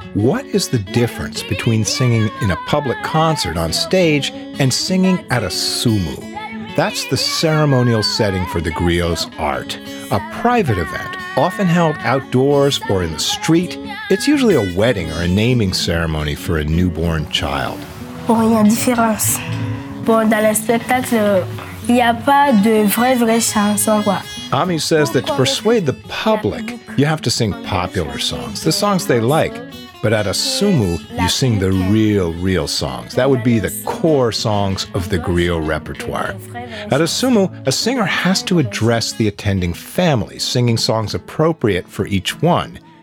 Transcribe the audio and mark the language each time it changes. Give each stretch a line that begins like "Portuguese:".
English: What is the difference between singing in a public concert on stage and singing at a sumu? That's the ceremonial setting for the griot's art. A private event, often held outdoors or in the street. It's usually a wedding or a naming ceremony for a newborn child.
French: Oh, il y a différence. Bon, dans le spectacle, il y a pas de vraie chanson, quoi.
English: Ami says that to persuade the public, you have to sing popular songs, the songs they like. But at a sumu, you sing the real, real songs. That would be the core songs of the griot repertoire. At a sumu, a singer has to address the attending family, singing songs appropriate for each one.